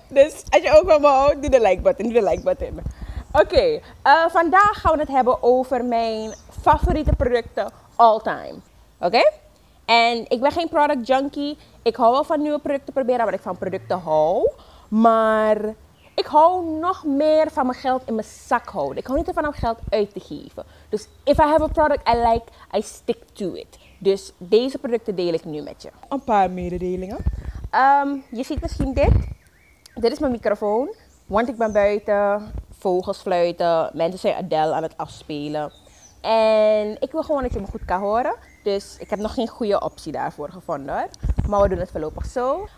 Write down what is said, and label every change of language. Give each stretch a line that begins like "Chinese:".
Dutch: Dus als je ook van me houdt, doe de like button, doe de like button. Oké, vandaag gaan we het hebben over mijn favoriete producten.
English: All time.
Dutch: Oké? En ik ben geen product junkie. Ik hou wel van nieuwe producten proberen, maar ik van producten hou. Maar ik hou nog meer van mijn geld in mijn zak houden. Ik hou niet ervan om geld uit te geven. Dus
English: if I have a product I like, I stick to it.
Dutch: Dus deze producten deel ik nu met je. Een paar mededelingen. Je ziet misschien dit. Dit is mijn microfoon. Want ik ben buiten. Vogels fluiten. Mensen zijn Adele aan het afspelen. En ik wil gewoon dat je me goed kan horen. Dus ik heb nog geen goede optie daarvoor gevonden hoor. Maar we doen het voorlopig zo.